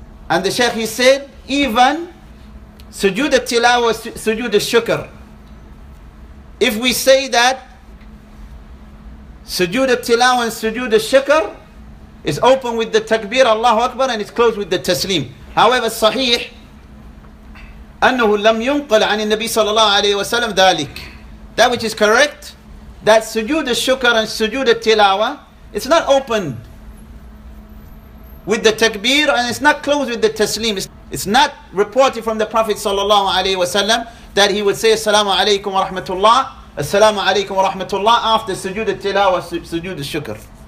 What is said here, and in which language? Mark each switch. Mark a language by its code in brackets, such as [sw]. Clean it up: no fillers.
[en] And the Shaykh, he said, even sujood al-tilawa, sujood al-shukr. If we say that sujood al-tilawa and sujood al-shukr is open with the takbir, Allahu Akbar, and it's closed with the taslim. However, [ar] sahih, أنه لم ينقل عن النبي صلى الله عليه وسلم ذلك. [en] That which is correct, that sujood al-shukr and sujood al-tilawa, it's not opened with the takbir, and it's not closed with the taslim. It's not reported from the Prophet sallallahu alayhi wa sallam that he would say assalamu alaykum wa rahmatullah, assalamu alaykum wa rahmatullah after sujood al-tilawa, sujood al-shukr.